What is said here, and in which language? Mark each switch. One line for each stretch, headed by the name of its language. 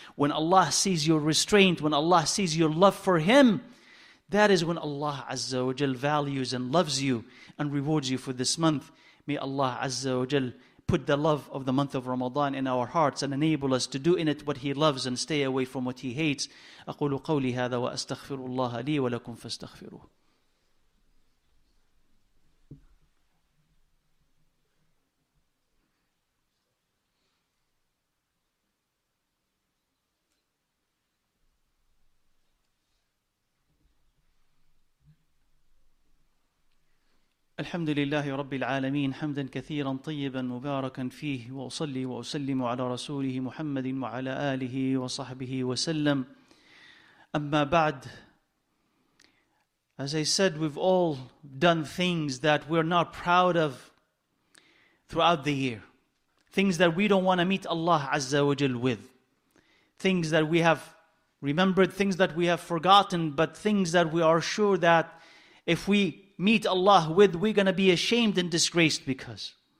English: When Allah sees your restraint, when Allah sees your love for Him, that is when Allah Azza wa Jal values and loves you and rewards you for this month. May Allah Azza wa Jal put the love of the month of Ramadan in our hearts and enable us to do in it what He loves and stay away from what He hates.
Arabic: أقول قولي هذا وأستغفر الله لي ولكم فاستغفروه. الحمد لله رب العالمين حمدا كثيرا طيبا مباركا فيه وأصلي وأسلم على رسوله محمد وعلى آله وصحبه وسلم أما بعد.
English: As I said, we've all done things that we're not proud of throughout the year. Things that we don't want to meet Allah Azza wa Jal with. Things that we have remembered, things that we have forgotten, but things that we are sure that if we meet Allah with, we're going to be ashamed and disgraced because.